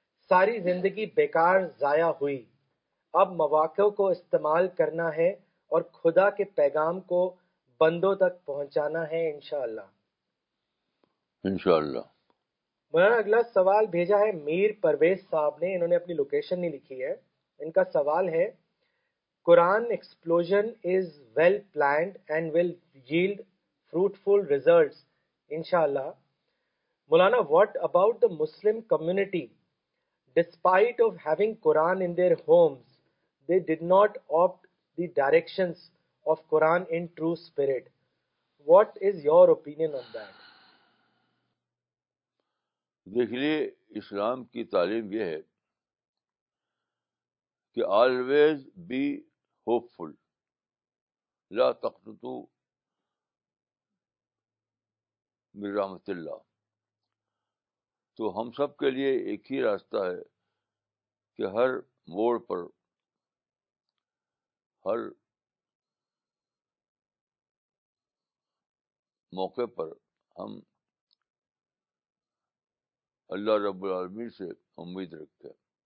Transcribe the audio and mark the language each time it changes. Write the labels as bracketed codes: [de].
[ur] ساری زندگی بیکار ضائع ہوئی, اب مواقع کو استعمال کرنا ہے اور خدا کے پیغام کو بندوں تک پہنچانا ہے انشاءاللہ. مولانا, اگلا سوال بھیجا ہے میر پرویز صاحب نے, انہوں نے اپنی لوکیشن نہیں لکھی ہے. ان کا سوال ہے, [en] Quran explosion is well planned and will yield fruitful results, inshallah. Maulana, what about the Muslim community? Despite of having Quran in their homes, they did not opt the directions of Quran in true spirit. What is your opinion on that? [ur] Dekhiye, Islam ki taleem ye hai ki [en] always be hopeful, [ar] لا تقنطوا من رحمۃ اللہ. [ur] تو ہم سب کے لیے ایک ہی راستہ ہے کہ ہر موڑ پر, ہر موقع پر ہم اللہ رب العالمین سے امید رکھتے ہیں.